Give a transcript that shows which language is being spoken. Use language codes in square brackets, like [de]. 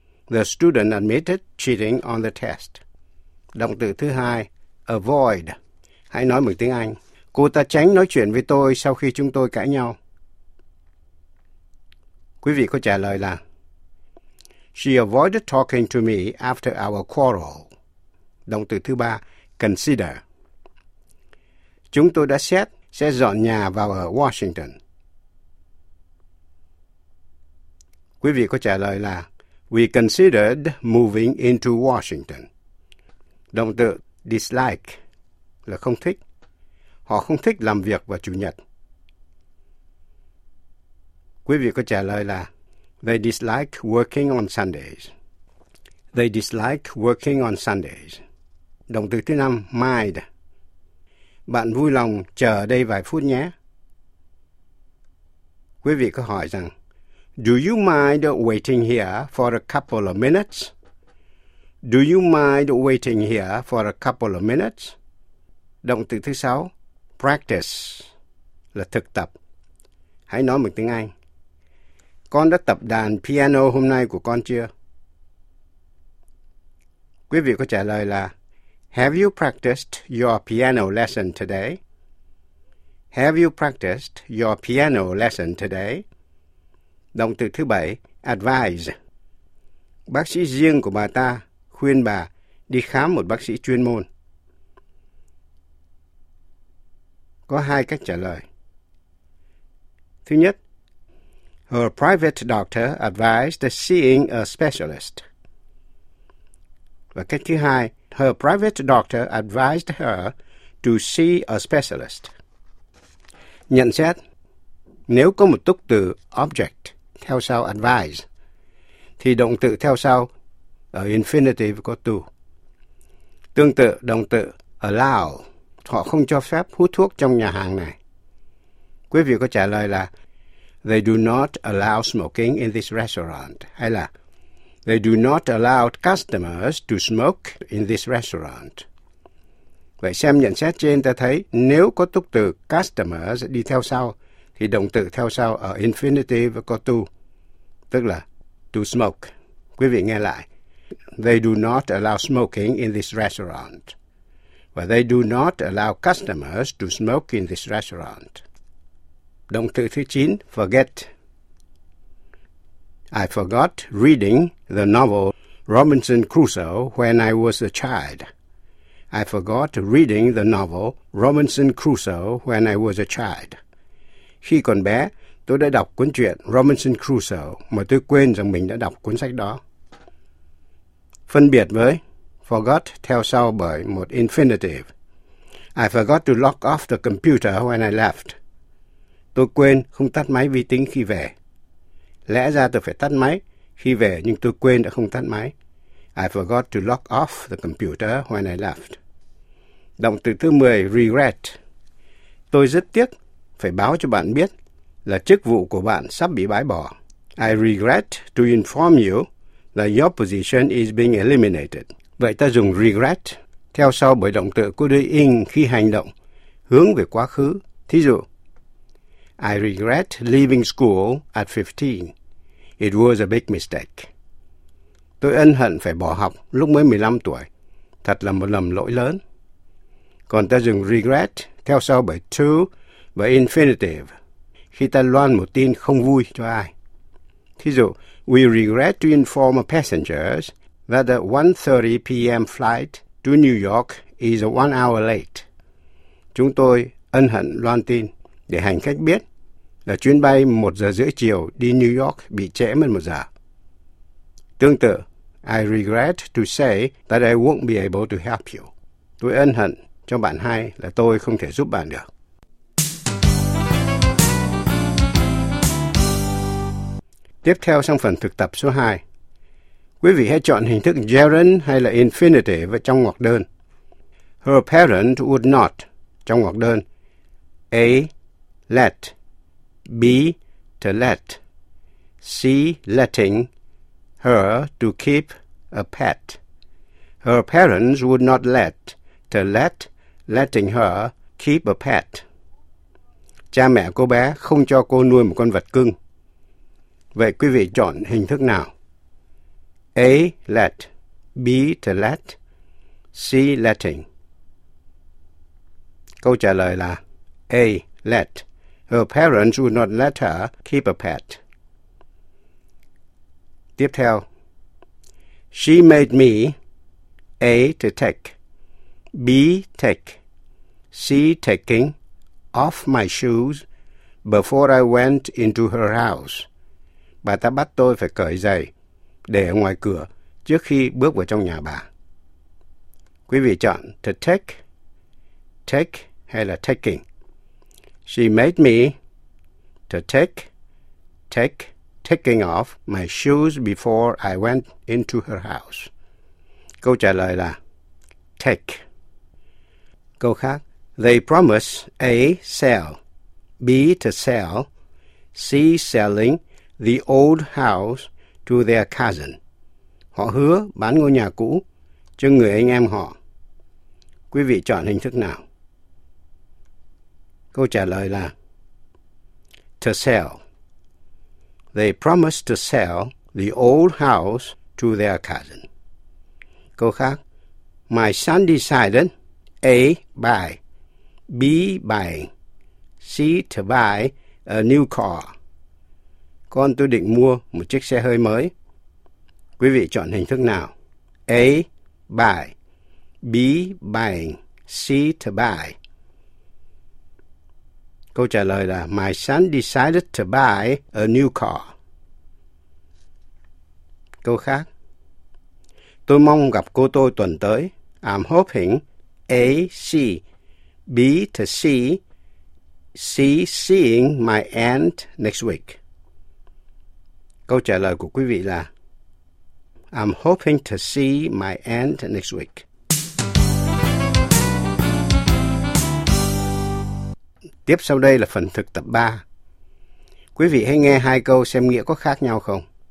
[en] The student admitted cheating on the test. [vi] Động từ thứ hai, avoid. Hãy nói bằng tiếng Anh. Cô ta tránh nói chuyện với tôi sau khi chúng tôi cãi nhau. Quý vị có trả lời là [en] she avoided talking to me after our quarrel. [vi] Động từ thứ ba, consider. Chúng tôi đã xét sẽ dọn nhà vào ở Washington. Quý vị có trả lời là [en] we considered moving into Washington. [vi] Động từ dislike là không thích. Họ không thích làm việc vào Chủ nhật. Quý vị có trả lời là [en] they dislike working on Sundays. They dislike working on Sundays. [vi] Động từ thứ năm, mind. Bạn vui lòng chờ đây vài phút nhé. Quý vị có hỏi rằng [en] do you mind waiting here for a couple of minutes? Do you mind waiting here for a couple of minutes? [vi] Động từ thứ sáu, practice, là thực tập. Hãy nói bằng tiếng Anh. Con đã tập đàn piano hôm nay của con chưa? Quý vị có trả lời là [en] have you practiced your piano lesson today? Have you practiced your piano lesson today? [vi] Động từ thứ bảy, advise. Bác sĩ riêng của bà ta khuyên bà đi khám một bác sĩ chuyên môn. Có hai cách trả lời. Thứ nhất, [en] her private doctor advised seeing a specialist. [vi] Và cách thứ hai, [en] her private doctor advised her to see a specialist. [vi] Nhận xét, nếu có một túc từ object theo sau advise, thì động từ theo sau ở infinitive có to. Tương tự, động từ allow, họ không cho phép hút thuốc trong nhà hàng này. Quý vị có trả lời là [en] they do not allow smoking in this restaurant. [vi] Hay là [en] they do not allow customers to smoke in this restaurant. [vi] Vậy xem nhận xét trên ta thấy nếu có túc từ customers đi theo sau thì động từ theo sau ở infinitive có to, tức là to smoke. Quý vị nghe lại. [en] They do not allow smoking in this restaurant. But they do not allow customers to smoke in this restaurant. [vi] Động từ thứ 9, forget. [en] I forgot reading the novel Robinson Crusoe when I was a child. I forgot reading the novel Robinson Crusoe when I was a child. [vi] Khi còn bé, tôi đã đọc cuốn truyện Robinson Crusoe mà tôi quên rằng mình đã đọc cuốn sách đó. Phân biệt với forgot theo sau bởi một infinitive. [en] I forgot to lock off the computer when I left. [vi] Tôi quên không tắt máy vi tính khi về. Lẽ ra tôi phải tắt máy khi về nhưng tôi quên đã không tắt máy. [en] I forgot to lock off the computer when I left. [vi] Động từ thứ 10, regret. Tôi rất tiếc phải báo cho bạn biết là chức vụ của bạn sắp bị bãi bỏ. [en] I regret to inform you that your position is being eliminated. [vi] Vậy ta dùng regret theo sau bởi động từ có đuôi ing khi hành động hướng về quá khứ. Thí dụ, [en] I regret leaving school at 15. It was a big mistake. [vi] Tôi ân hận phải bỏ học lúc mới 15 tuổi. Thật là một lầm lỗi lớn. Còn ta dùng regret theo sau bởi to và infinitive khi ta loan một tin không vui cho ai. Thí dụ, [en] we regret to inform passengers that the 1:30 p.m. flight to New York is 1 hour late. [vi] Chúng tôi ân hận loan tin để hành khách biết là chuyến bay 1 giờ rưỡi chiều đi New York bị trễ mất 1 giờ. Tương tự, [en] I regret to say that I won't be able to help you. [vi] Tôi ân hận cho bạn hai là tôi không thể giúp bạn được. Tiếp theo sang phần thực tập số 2. Quý vị hãy chọn hình thức gerund hay là infinitive trong ngoặc đơn. [en] Her parents would not [vi] trong ngoặc đơn. [en] A. Let. B. To let. C. Letting her to keep a pet. Her parents would not let to let letting her keep a pet. [vi] Cha mẹ cô bé không cho cô nuôi một con vật cưng. Vậy quý vị chọn hình thức nào? [en] A. Let. B. To let. C. Letting. [vi] Câu trả lời là A. Let. [en] Her parents would not let her keep a pet. [vi] Tiếp theo. [en] She made me A. To take. B. Take. C. Taking off my shoes before I went into her house. [vi] Bà ta bắt tôi phải cởi giày để ở ngoài cửa trước khi bước vào trong nhà bà. Quý vị chọn to take, take hay là taking. [en] She made me to take, take, taking off my shoes before I went into her house. [vi] Câu trả lời là take. Câu khác. [en] They promise A. Sell. B. To sell. C. Selling the old house to their cousin. [vi] Họ hứa bán ngôi nhà cũ cho người anh em họ. Quý vị chọn hình thức nào? Câu trả lời là to sell. [en] They promise to sell the old house to their cousin. [vi] Câu khác. [en] My son decided A. Buy. B. Buy. C. To buy a new car. [vi] Con tôi định mua một chiếc xe hơi mới. Quý vị chọn hình thức nào? [en] A. Buy. B. Buying. C. To buy. [vi] Câu trả lời là [en] my son decided to buy a new car. [vi] Câu khác. Tôi mong gặp cô tôi tuần tới. [en] I'm hoping A. See. B. To see. C. Seeing my aunt next week. [vi] Câu trả lời của quý vị là [en] I'm hoping to see my aunt next week. [vi] Tiếp sau đây là phần thực tập 3. Quý vị hãy nghe hai câu xem nghĩa có khác nhau không.